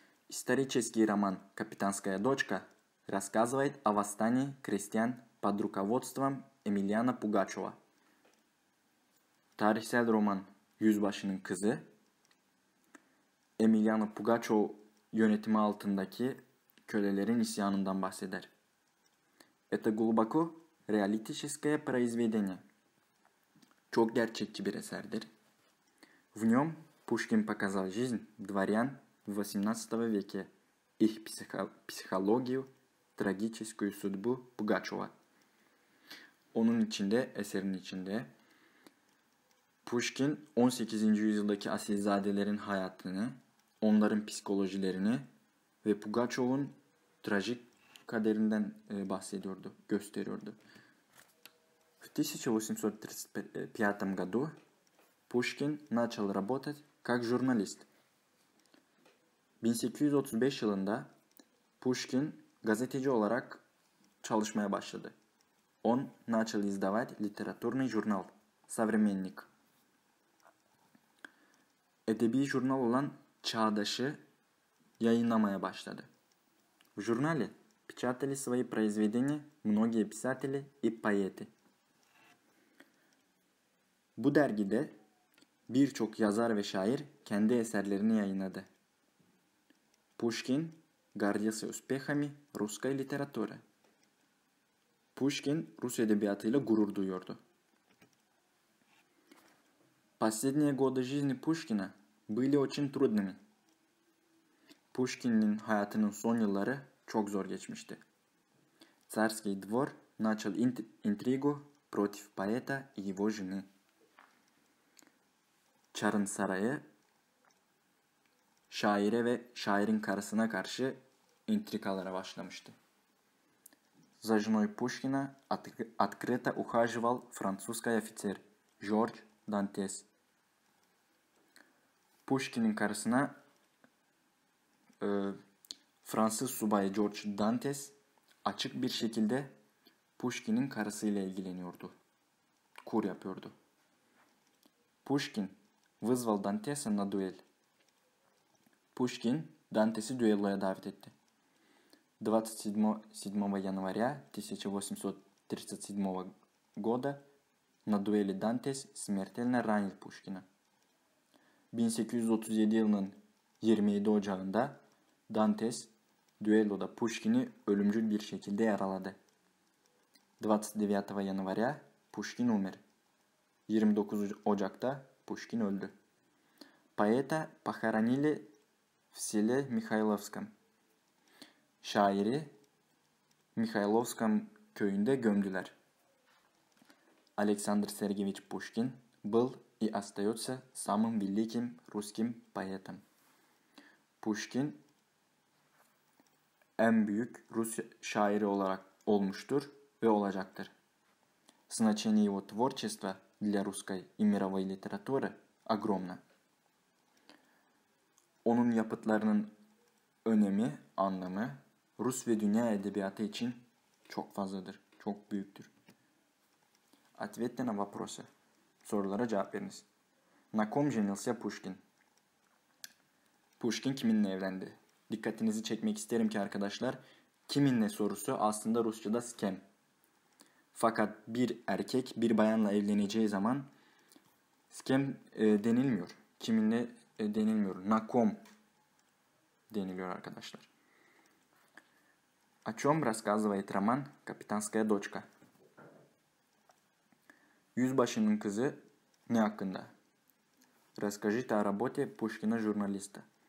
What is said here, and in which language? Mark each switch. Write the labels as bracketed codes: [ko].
[ru] Исторический роман «Капитанская дочка» рассказывает о восстании крестьян под руководством Эмилиана Пугачева. [tr] Tarihsel roman Yüzbaşının kızı. Emiliano Pugaccio yönetimi altındaki kölelerin isyanından bahseder. [ru] Это глубоко реалистическое произведение. [tr] Çok gerçekçi bir eserdir. [ru] В нем Пушкин показал жизнь дворян в 18 веке, их психологию, трагическую судьбу Пугачева. [tr] Onun içinde, eserin içinde Пушкин 18. yüzyıldaki asilzadelerin hayatını, onların psikolojilerini ve Пугачев'ın trajik kaderinden bahsediyordu, gösteriyordu. [ru] В 1835 году Пушкин начал работать как журналист. [tr] 1835 yılında Пушкин gazeteci olarak çalışmaya başladı. [ru] Он начал издавать литературный журнал «Современник». [tr] Edebi jurnal olan «Çağdaş»'ı yayınlamaya başladı. [ru] В журнале печатали свои произведения многие писатели и поэты. [tr] Bu dergide birçok yazar ve şair kendi eserlerini yayınladı. [ru] Пушкин гордился успехами русской литературы. [tr] Пушкин Rus edebiyatıyla gurur duyuyordu. [ru] Последние годы жизни Пушкина были очень трудными. [tr] Пушкин'in hayatının son yılları çok zor geçmişti. [ru] Царский двор начал интригу против поэта и его жены. [tr] Çarın sarayı şaire ve şairin karısına karşı intrikalara başlamıştı. [ru] За женой Пушкина открыто ухаживал французский офицер Жорж Дантес. [tr] Пушкин'in karısına Fransız subayı Жорж Дантес açık bir şekilde Пушкин'in karısıyla ilgileniyordu. Kur yapıyordu. [ru] Пушкин вызвал Дантеса на дуэль. [tr] Пушкин Дантеса дуэллоя давит etti. [ru] 27 января 1837 года на дуэли Дантес смертельно ранил Пушкина. [tr] 1837 yılının 27 Ocağında Дантес дуэллода Пушкин'i ölümcül bir şekilde yaraladı. [ru] 29 января Пушкин умер. [tr] 29 Ocak'ta Пушкин öldü. [ru] Поэта похоронили в селе Михайловском. [tr] Şairi Михайловском köyünde gömdüler. [ru] Александр Сергеевич Пушкин был и остается самым великим русским поэтом. [tr] Пушкин en büyük Rus şairi olarak olmuştur ve olacaktır. [ru] Значение его творчества для русской и мировой литературы огромно. [tr] Onun yapıtlarının önemi, anlamı Rus ve dünya edebiyatı için çok fazladır, çok büyüktür. [ru] Ответьте на вопросы. [tr] Sorulara cevap veriniz. [ru] На ком женился Пушкин? [tr] Пушкин kiminle evlendi? Dikkatinizi çekmek isterim ki arkadaşlar, kiminle sorusu aslında Rusça'da [ru] с кем. [tr] Fakat bir erkek bir bayanla evleneceği zaman [ru] с кем [tr] denilmiyor. Kiminle denilmiyor. [ru] На ком [tr] deniliyor arkadaşlar. [ru] О чем рассказывает роман «Капитанская дочка»? [tr] Yüzbaşının kızı ne hakkında? [ru] Расскажите о работе Пушкина журналиста.